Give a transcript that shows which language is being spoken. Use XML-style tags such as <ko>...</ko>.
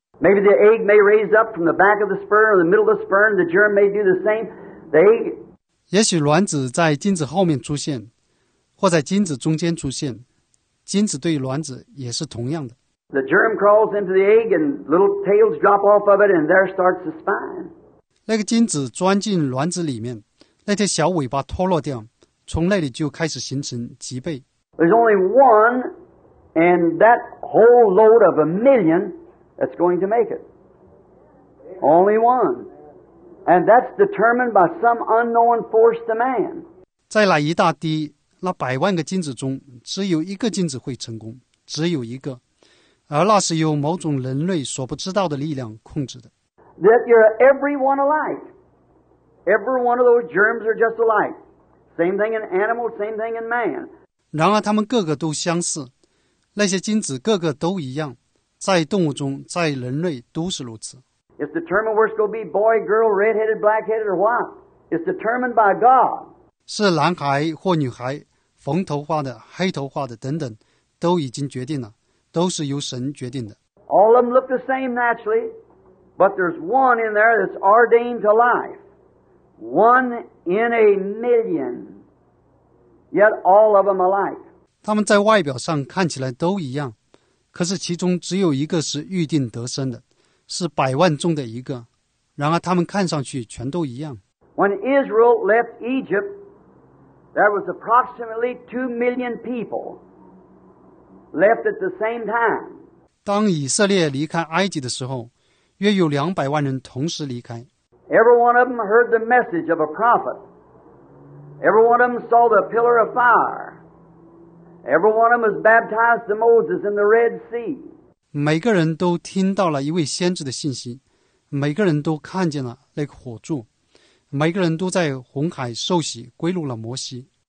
<en>Maybe the egg may raise up from the back of the sperm or the middle of the sperm. The germ may do the same. The egg.</en> <zh>也许卵子在精子后面出现，或在精子中间出现。精子对卵子也是同样的。</zh> <en>The germ crawls into the egg, and little tails drop off of it, and there starts the spine.</en> <zh>那个精子钻进卵子里面，那条小尾巴脱落掉。从那里就开始形成脊背。</zh> <en>There's only one, and that whole load of a million that's going to make it. Only one, and that's determined by some unknown force to man.</en> <zh>在那一大滴那百万个精子中，只有一个精子会成功，只有一个，而那是由某种人类所不知道的力量控制的。</zh> <en>That you're everyone alike. Every one of those germs are just alike. Same thing in animals, same thing in man.</en> <zh>然而他们个个都相似，那些精子个个都一样，在动物中，在人类都是如此。</zh> <en>It's determined where it's going to be boy, girl, red-headed, black-headed, or what? It's determined by God.</en> <zh>是男孩或女孩，红头发的、黑头发的等等，都已经决定了，都是由神决定的。</zh> <en>All of them look the same naturally, but there's one in there that's ordained to life. One in a million, yet all of them alike.</en> <zh>他们在外表上看起来都一样，可是其中只有一个是预定得生的，是百万中的一个，然而他们看上去全都一样。</zh> <en>When Israel left Egypt, there was approximately 2 million people left at the same time.</en> <zh>当以色列离开埃及的时候，约有200万人同时离开。</zh> <en>Every one of them heard the message of a prophet. Every one of them saw the pillar of fire. Every one of them was baptized to Moses in the Red Sea.</en> <zh>每个人都听到了一位先知的信息，每个人都看见了那个火柱，每个人都在红海受洗归入了摩西。</zh>